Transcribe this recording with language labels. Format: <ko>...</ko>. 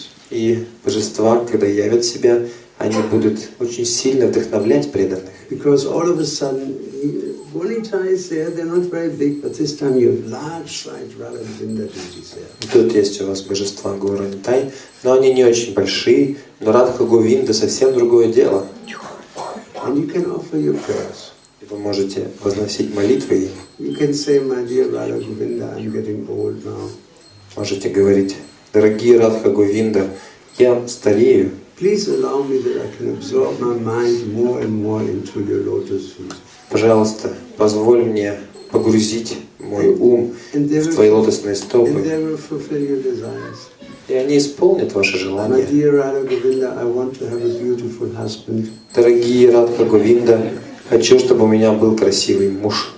<ru>И божества, когда явят себя, они будут очень сильно вдохновлять преданных.</ru> <en>Because all of a sudden, bonitas there, they're not very big, but this time you have large size Radha Govinda deities there.</en> <ru>Тут есть у вас божества гора Нитай, но они не очень большие, но Радха Говинда совсем другое дело.</ru> <en>And you can offer your prayers.</en> <ru>Вы можете возносить молитвы.</ru> <en>You can say, my dear Radha Govinda, I'm getting old now.</en> <ru>Можете говорить, дорогие Радха Говинда, я старею.</ru> <en>Please allow me that I can absorb my mind more and more into your lotus feet.</en> <ru>Пожалуйста, позволь мне погрузить мой ум в твои лотосные стопы.</ru> <en>And they will fulfill your desires.</en> <ru>И они исполнят ваши желания.</ru> <en>My dear Radha Govinda, I want to have a beautiful husband.</en> <ru>Дорогие Радха Говинда, Хочу, чтобы у меня был красивый муж.</ru>